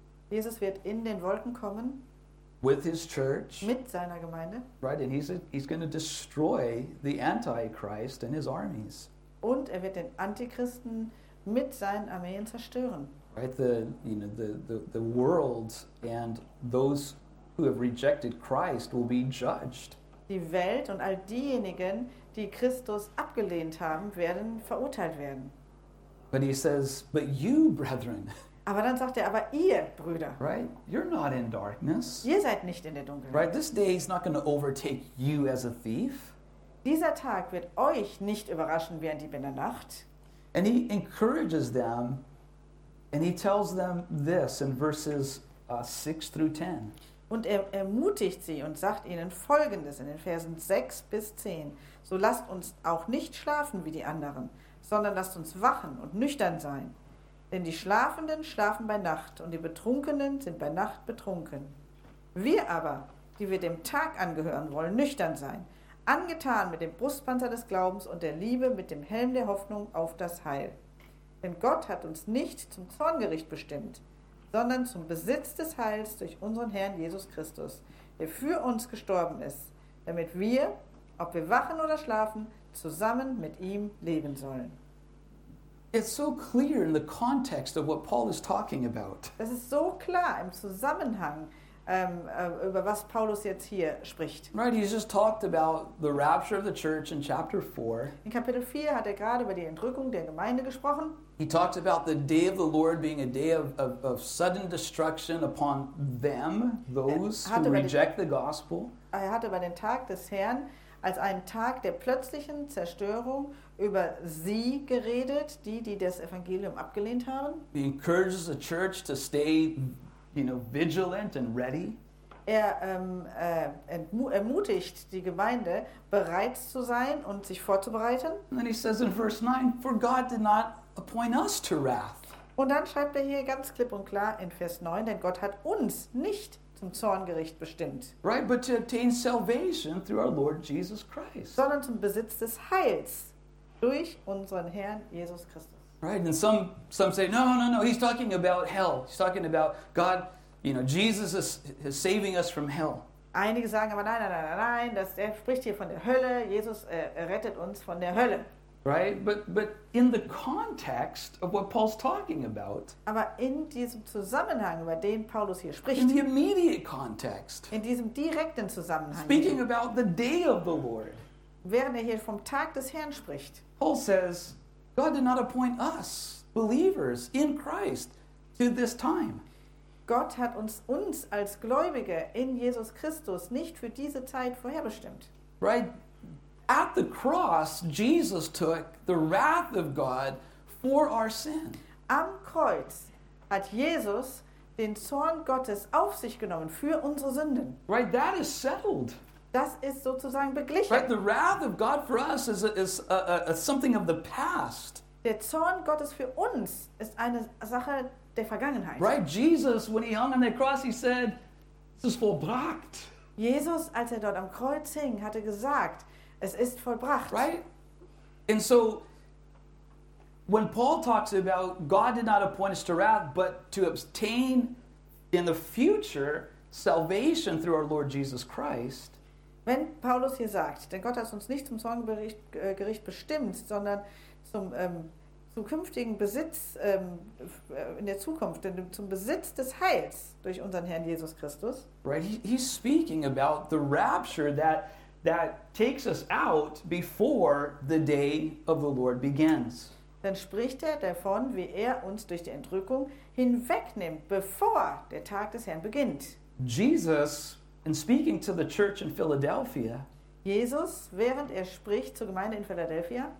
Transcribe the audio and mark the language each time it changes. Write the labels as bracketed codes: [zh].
[de] Jesus wird in den Wolken kommen. [en] With his church. [de] Mit seiner Gemeinde. [en] Right? And he's going to destroy the Antichrist and his armies. [de] Und er wird den Antichristen mit seinen Armeen zerstören. [en] Right? The world and those who have rejected Christ will be judged. [de] Die Welt und all diejenigen, die Christus abgelehnt haben, werden verurteilt werden. [en] But he says, but you, brethren. [de] Aber dann sagt er, aber ihr, Brüder. [en] Right? You're not in darkness. [de] Ihr seid nicht in der Dunkelheit. [en] Right? This day is not going to overtake you as a thief. [de] Dieser Tag wird euch nicht überraschen wie ein Dieb in der Nacht. [en] And he encourages them and he tells them this in verses 6-10. [de] Und er ermutigt sie und sagt ihnen Folgendes in den Versen 6 bis 10. So lasst uns auch nicht schlafen wie die anderen, sondern lasst uns wachen und nüchtern sein. Denn die Schlafenden schlafen bei Nacht und die Betrunkenen sind bei Nacht betrunken. Wir aber, die wir dem Tag angehören wollen, nüchtern sein, angetan mit dem Brustpanzer des Glaubens und der Liebe, mit dem Helm der Hoffnung auf das Heil. Denn Gott hat uns nicht zum Zorngericht bestimmt, sondern zum Besitz des Heils durch unseren Herrn Jesus Christus, der für uns gestorben ist, damit wir, ob wir wachen oder schlafen, zusammen mit ihm leben sollen. [en] It's so clear in the context of what Paul is talking about. [de] Das ist so klar im Zusammenhang, über was Paulus jetzt hier spricht. [en] Right, he's just talked about the rapture of the church in chapter 4. [de] In Kapitel 4 hat er gerade über die Entrückung der Gemeinde gesprochen. [en] He talked about the day of the Lord being a day of sudden destruction upon them, those who reject the gospel. [de] Er hatte über den Tag des Herrn als einen Tag der plötzlichen Zerstörung über sie geredet, die das Evangelium abgelehnt haben. [en] He encourages the church to stay, you know, vigilant and ready. [de] Er ermutigt die Gemeinde, bereit zu sein und sich vorzubereiten. [en] And then he says in verse 9, for God did not appoint us to wrath. [de] Und dann schreibt er hier ganz klipp und klar in Vers 9, denn Gott hat uns nicht zum Zorngericht bestimmt. [en] Right, but to obtain salvation through our Lord Jesus Christ. [de] Sondern zum Besitz des Heils durch unseren Herrn Jesus Christus. [en] Right, and some say, no, he's talking about hell. He's talking about God, you know, Jesus is saving us from hell. [de] Einige sagen aber nein, dass er spricht hier von der Hölle. Jesus rettet uns von der Hölle. [en] Right, but in the context of what Paul's talking about. [de] Aber in diesem Zusammenhang, über den Paulus hier spricht. [en] In the immediate context. [de] In diesem direkten Zusammenhang. [en] Speaking about the day of the Lord. [de] Während er hier vom Tag des Herrn spricht. [en] Paul says, God did not appoint us, believers in Christ, to this time. [de] Gott hat uns als Gläubige in Jesus Christus nicht für diese Zeit vorherbestimmt. [en] Right? At the cross, Jesus took the wrath of God for our sin. [de] Am Kreuz hat Jesus den Zorn Gottes auf sich genommen für unsere Sünden. [en] Right? That is settled. [de] Das ist sozusagen beglichen. [en] Right, the wrath of God for us is something of the past. [de] Der Zorn Gottes für uns ist eine Sache der Vergangenheit. [en] Right, Jesus, when he hung on the cross, he said, [de] "Es ist vollbracht." Jesus, als er dort am Kreuz hing, hatte gesagt, "Es ist vollbracht." [en] Right, and so when Paul talks about God did not appoint us to wrath, but to obtain in the future salvation through our Lord Jesus Christ. [de] Wenn Paulus hier sagt, denn Gott hat uns nicht zum Zorngericht bestimmt, sondern zum zukünftigen Besitz in der Zukunft, denn zum Besitz des Heils durch unseren Herrn Jesus Christus. [en] Right, he's speaking about the rapture that takes us out before the day of the Lord begins. [de] Dann spricht er davon, wie er uns durch die Entrückung hinwegnimmt, bevor der Tag des Herrn beginnt. [en] Jesus. And speaking to the church in Philadelphia, [de] Jesus, während er spricht zur Gemeinde in Philadelphia,